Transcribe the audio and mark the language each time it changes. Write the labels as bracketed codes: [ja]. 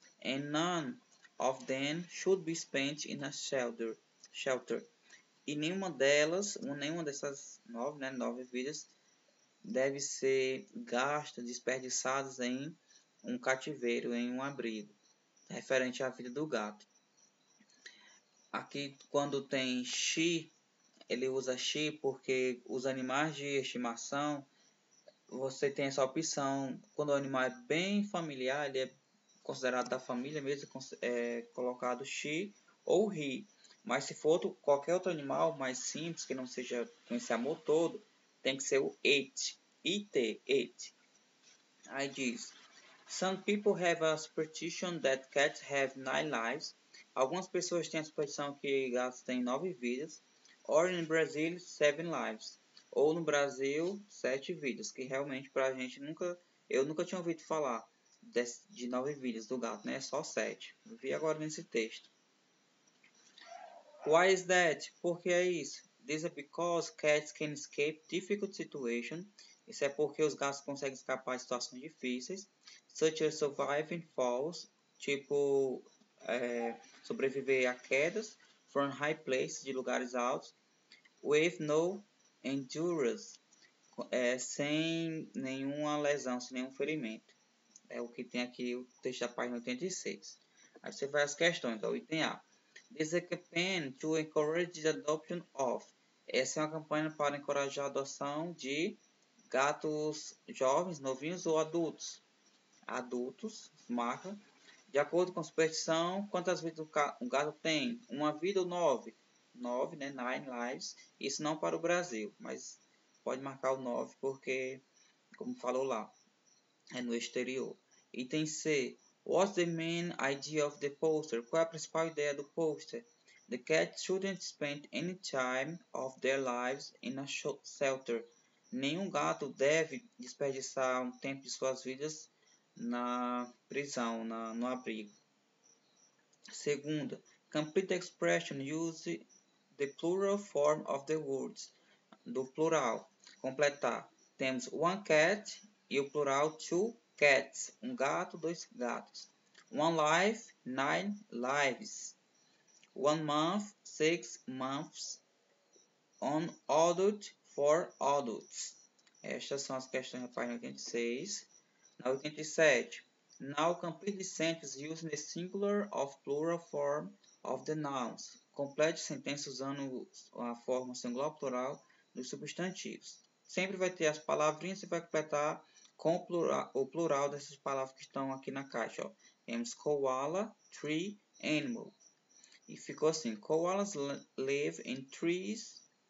[en] And none of them should be spent in a shelter. [pt] E nenhuma dessas nove, né, nove vidas deve ser gasta, desperdiçada em um cativeiro, em um abrigo, referente à vida do gato. Aqui, quando tem she, ele usa she porque os animais de estimação, você tem essa opção. Quando o animal é bem familiar, ele é considerado da família mesmo, é colocado she ou he. Mas se for qualquer outro animal mais simples, que não seja com esse amor todo, tem que ser o it. [en] It. [pt] Aí diz: [en] Some people have a superstition that cats have nine lives. [pt] Algumas pessoas têm a superstição que gatos têm nove vidas. [en] Or in Brazil, seven lives. [pt] Ou no Brasil, sete vidas. Que realmente pra gente nunca. Eu nunca tinha ouvido falar de nove vidas do gato, né? Só sete. Vi agora nesse texto. [en] Why is that? [pt] Por que é isso? [en] This is because cats can escape difficult situations. [pt] Isso é porque os gatos conseguem escapar de situações difíceis, [en] such as surviving falls, [pt] tipo sobreviver a quedas, [en] from high places, [pt] de lugares altos, [en] with no injuries, [pt] sem nenhuma lesão, sem nenhum ferimento. É o que tem aqui o texto da página 86. Aí você vai às questões, então, item A. [en] This is a campaign to encourage the adoption of. [pt] Essa é uma campanha para encorajar a adoção de gatos jovens, novinhos ou adultos. Adultos, marca. De acordo com a superstição, quantas vidas um gato tem? Uma vida ou nove? Nove, né? [en] Nine lives. [pt] Isso não para o Brasil, mas pode marcar o nove porque, como falou lá, é no exterior. [en] Item C. What's the main idea of the poster? [pt] Qual é a principal ideia do poster? [en] The cats shouldn't spend any time of their lives in a shelter. [pt] Nenhum gato deve desperdiçar um tempo de suas vidas na prisão, no abrigo. [en] Segunda, complete expression. Use the plural form of the words. [pt] Do plural. Completar. Temos [en] one cat [pt] e o plural [en] two cats. [pt] Um gato, dois gatos. [en] One life, nine lives. One month, 6 months. One adult, 4 adults. [pt] Estas são as questões da página 86. Na 87. [en] Now complete the sentence using the singular of plural form of the nouns. [pt] Complete sentença usando a forma singular ou plural dos substantivos. Sempre vai ter as palavrinhas e vai completar com o plural dessas palavras que estão aqui na caixa, ó. [en] Temos koala, tree, animal. [pt] E ficou assim: [en] Koalas live in trees,